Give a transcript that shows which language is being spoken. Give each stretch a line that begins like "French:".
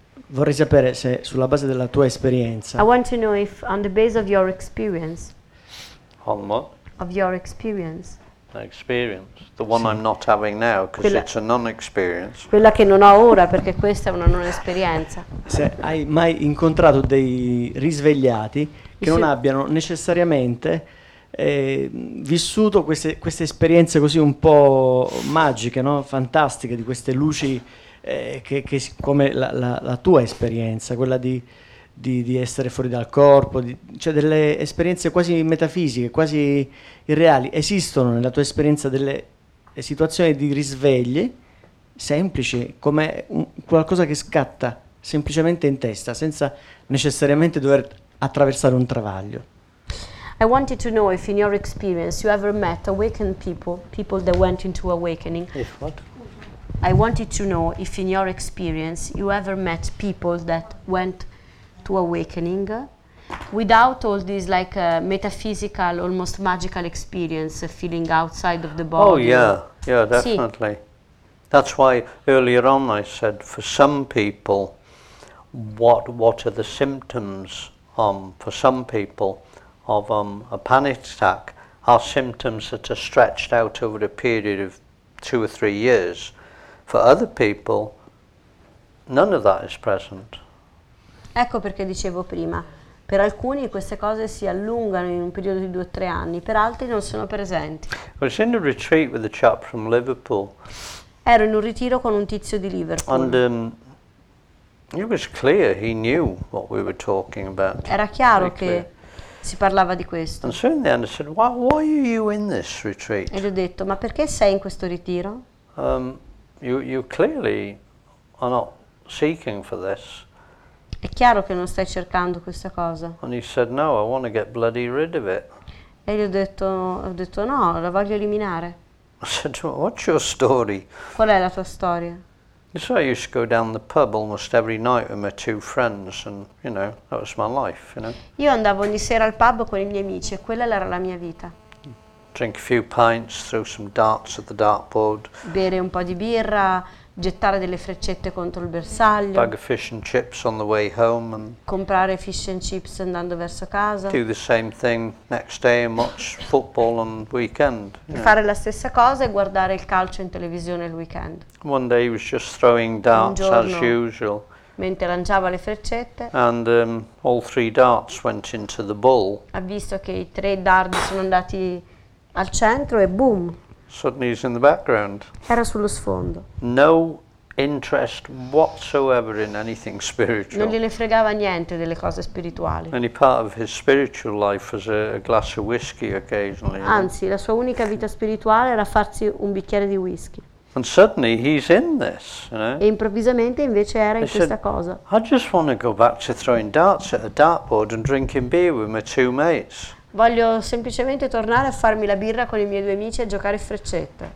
Italian: Vorrei sapere se sulla base della tua esperienza.
English: I want to know if on the base of your experience. On what? Of your experience. The experience. The one sì. I'm not having now because it's a non-experience.
Italian: Quella che non ho ora perché questa è una non esperienza. Se hai mai incontrato dei risvegliati che non abbiano necessariamente vissuto queste esperienze così un po' magiche, no? Fantastiche, di queste luci che come la tua esperienza, quella di essere fuori dal corpo, cioè delle esperienze quasi metafisiche, quasi irreali. Esistono nella tua esperienza delle situazioni di risvegli semplici, come qualcosa che scatta semplicemente in testa, senza necessariamente dover attraversare un travaglio.
English: I wanted to know if in your experience you ever met awakened people that went into awakening. If what? I wanted to know if in your experience you ever met people that went to awakening without all these like metaphysical, almost magical experience feeling outside of the body. Oh yeah, definitely. Si. That's why earlier on I said for some people what are the symptoms for some people of a panic attack are symptoms that are stretched out over a period of 2 or 3 years. For other people none of that is present.
Italian: Ecco perché dicevo prima, Per alcuni queste cose si allungano in un periodo di 2-3 anni, per altri non sono presenti.
English: Was in a retreat with a chap from Liverpool.
Italian: Ero in un ritiro con un tizio di Liverpool.
English: And it was clear he knew what we were talking about.
Italian: Era chiaro che si parlava di questo.
English: And so in the end I said, why are you in this retreat?
Italian: E gli ho detto, ma perché sei in questo ritiro?
English: You clearly are not seeking for this.
Italian: È chiaro che non stai cercando questa cosa.
English: And he said, no, I want to get bloody rid of it.
Italian: E gli ho detto no, la voglio eliminare.
English: I said, what's your story?
Italian: Qual è la tua storia?
English: So I used to go down the pub almost every night with my two friends, and you know that was my life. You know.
Italian: Io andavo ogni sera al pub con i miei amici, e quella era la mia vita.
English: Drink a few pints, throw some darts at the dartboard.
Italian: Bere un po' di birra, gettare delle freccette contro il bersaglio.
English: Bag of fish and chips on the way home. And
Italian: comprare fish and chips andando verso casa.
English: Do the same thing next day and watch football on the weekend.
Italian: Fare la stessa cosa e guardare il calcio in televisione il weekend.
English: One day he was just throwing darts as usual.
Italian: Mentre lanciava le freccette.
English: And all three darts went into the bull.
Italian: Ha visto che i tre dardi sono andati al centro e boom.
English: Suddenly he's in the background.
Italian: Era sullo sfondo.
English: No interest whatsoever in anything spiritual.
Italian: Non gliene fregava niente delle cose spirituali.
English: Any part of his spiritual life was a glass of whisky occasionally.
Italian: Anzi, la sua unica vita spirituale era farsi un bicchiere di whisky.
English: And suddenly he's in this, you know.
Italian: E improvvisamente invece era in questa cosa.
English: I just want to go back to throwing darts at a dartboard and drinking beer with my two mates.
Italian: Voglio semplicemente tornare a farmi la birra con i miei due amici e a giocare freccette.